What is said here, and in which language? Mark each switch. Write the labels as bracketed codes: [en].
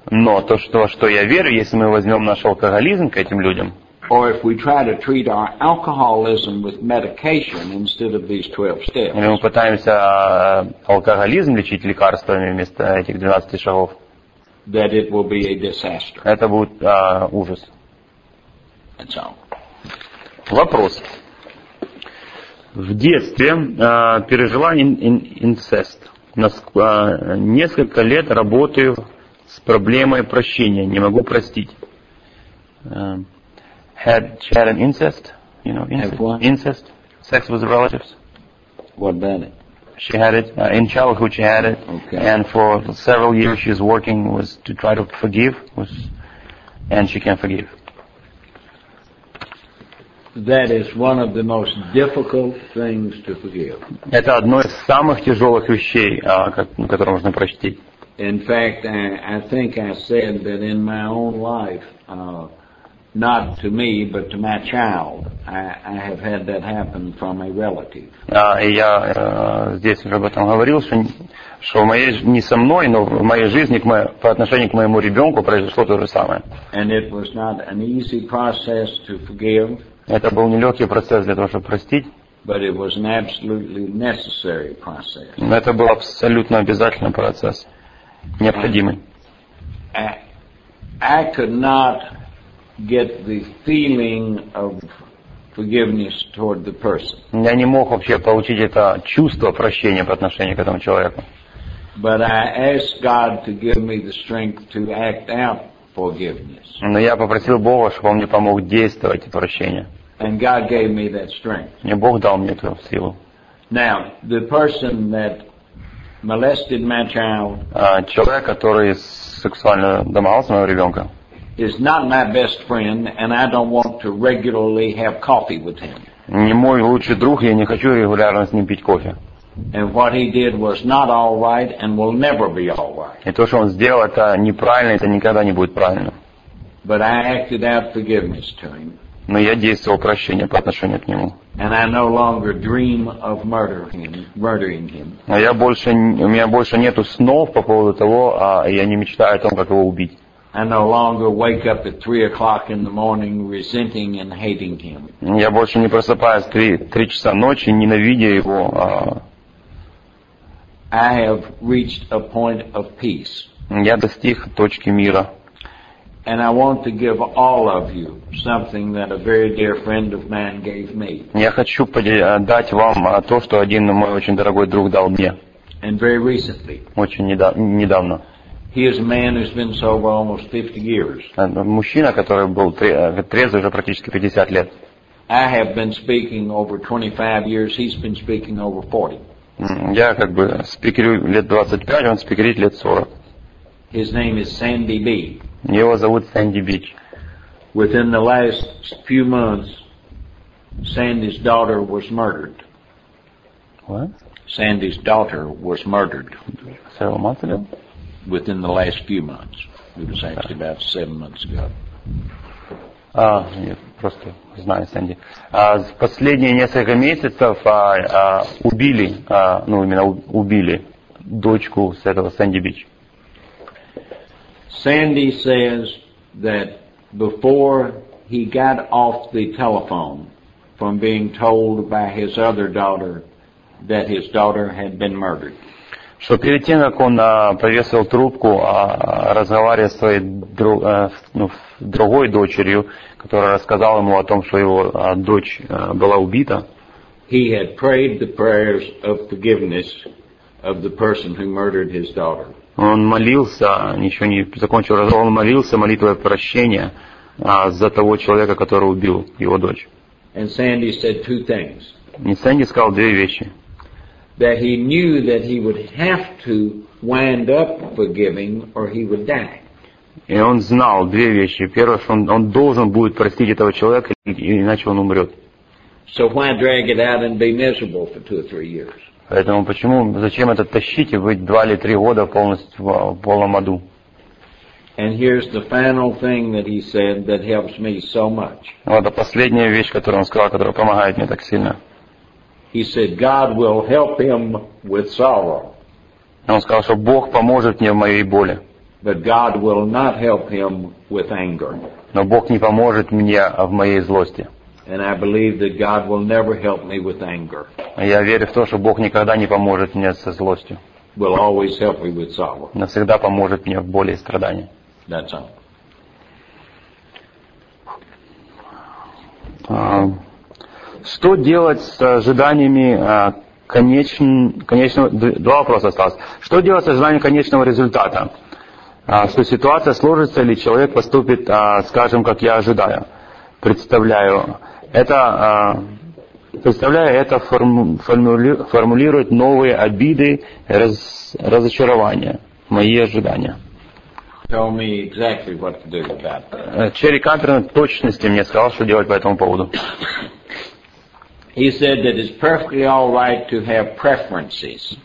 [ru] Но то, что я верю, если мы возьмем наш алкоголизм к этим людям. [en] Or if we try to treat our alcoholism with medication instead of these 12 steps. [ru] Или мы пытаемся алкоголизм лечить лекарствами вместо этих 12 шагов. [en] That it will be a disaster. [ru] Это будет ужас. [en] That's all. [ru] Вопрос. В детстве пережила инцест. Несколько лет работаю с проблемой прощения. Не могу простить. [en] Had an incest? You know, incest? Sex with relatives? What about it? She had it in childhood. She had it, okay. And for several years she's working was to try to forgive, was, and she can forgive. That is one of the most difficult things to forgive. [ru] Это одно из самых тяжелых вещей, которые можно простить. [en] In fact, I think I said that in my own life, not to me, but to my child, I have had that happen from a relative. [ru] Я здесь уже об этом говорил, что не со мной, но в моей жизни по отношению к моему ребенку произошло то же самое. [en] And it was not an easy process to forgive. [ru] Это был нелегкий процесс для того, чтобы простить. [en] But it was an absolutely necessary process. [ru] Это был абсолютно обязательный процесс, необходимый. [en] I could not get the feeling of forgiveness toward the person. [ru] Я не мог вообще получить это чувство прощения по отношению к этому человеку. [en] But I asked God to give me the strength to act out forgiveness. [ru] Но я попросил Бога, чтобы он мне помог действовать прощение. [en] And God gave me that strength. [ru] И Бог дал мне эту силу. [en] Now, the person that molested my child, [ru] человек, который сексуально домогался моего ребенка, [en] is not my best friend, and I don't want to regularly have coffee with him. [ru] Не мой лучший друг, я не хочу регулярно с ним пить кофе. [en] And what he did was not all right, and will never be all right. [ru] И то, что он сделал, это неправильно, это никогда не будет правильно. [en] But I acted out forgiveness to him. [ru] Но я действовал прощение по отношению к нему. [en] And I no longer dream of murdering him. [ru] Но я больше, у меня больше нету снов по поводу того, а я не мечтаю о том, как его убить. [en] I no longer wake up at 3 o'clock in the morning resenting and hating him. [ru] Я больше не просыпаюсь 3 часа ночи, ненавидя его. [en] I have reached a point of peace. [ru] Я достиг точки мира. [en] And I want to give all of you something that a very dear friend of mine gave me. [ru] Я хочу дать вам то, что один мой очень дорогой друг дал мне. [en] And very recently. [ru] Очень недавно. [en] He is a man who's been sober almost 50 years. [ru] Мужчина, который был трезвый уже практически 50 лет. [en] I have been speaking over 25 years. He's been speaking over 40. [ru] Я как бы спикерю лет 25, он спикерит лет 40. [en] His name is Sandy B. [ru] Его зовут Sandy B. [en] Within the last few months, Sandy's daughter was murdered. What? Sandy's daughter was murdered. Several months ago. Within the last few months. It was actually about 7 months ago. [ru] Я просто знаю, Сэнди. В последние несколько месяцев убили, ну именно убили дочку с этого Сэнди Бич. [en] Sandy says that before he got off the telephone from being told by his other daughter that his daughter had been murdered. [ru] Что перед тем, как он повесил трубку, разговаривая с своей другой дочерью, которая рассказала ему о том, что его дочь была убита, [en] he had prayed the prayers of forgiveness of the person who murdered his daughter. [ru] Он молился, ничего не закончил, он молился молитвой прощения за того человека, который убил его дочь. [en] And Sandy said two things. [ru] И Сэнди сказал две вещи. [en] That he knew that he would have to wind up forgiving or he would die. [ru] И он знал две вещи. Первое, что он должен будет простить этого человека, иначе он умрет. [en] So why drag it out and be miserable for two or three years? [ru] Поэтому почему, зачем это тащить и быть два или три года полностью в полном аду? [en] And here's the final thing that he said that helps me so much. [ru] Вот это последняя вещь, которую он сказал, которая помогает мне так сильно. [en] He said, God will help him with sorrow. [ru] Он сказал, что Бог поможет мне в моей боли. [en] But God will not help him with anger. [ru] Но Бог не поможет мне в моей злости. [en] And I believe that God will never help me with anger. [ru] Я верю в то, что Бог никогда не поможет мне со злостью. [en] Will always help me with sorrow. [ru] Навсегда поможет мне в боли и страдании. [en] That's all. [ru] Что делать с ожиданиями конечного... Два вопроса осталось. Что делать с ожиданием конечного результата? Что ситуация сложится или человек поступит, скажем, как я ожидаю, представляю. Это, представляю, это формулирует новые обиды, разочарования, мои ожидания. [en] Tell me exactly what to do about that. [ru] Черри Кантер в точности мне сказал, что делать по этому поводу. [en] He said that it's perfectly all right to have preferences.